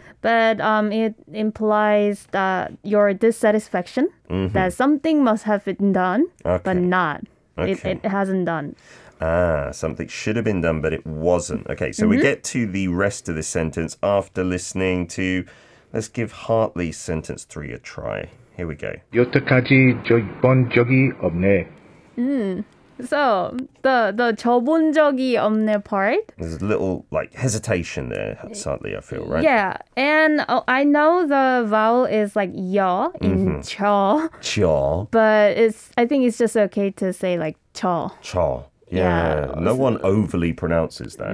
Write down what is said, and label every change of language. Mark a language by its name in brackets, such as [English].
[English] But it implies that your dissatisfaction, that something must have been done, but not. Okay. It hasn't done. Ah, something should have been done, but it wasn't. Okay, so we get to the rest of the sentence after listening to, let's give Hartley's sentence three a try. Here we go. [Korean] 여태까지 접은 적이 없네. [English] So, the [Korean] 접은 적이 없네 [English] part. There's a little, like, hesitation there, sadly, I feel, right? Yeah, and I know the vowel is, like, 여 in 저. [Korean] 저. [English] But I think it's just okay to say, like, 저. 저. Yeah. No one overly pronounces that.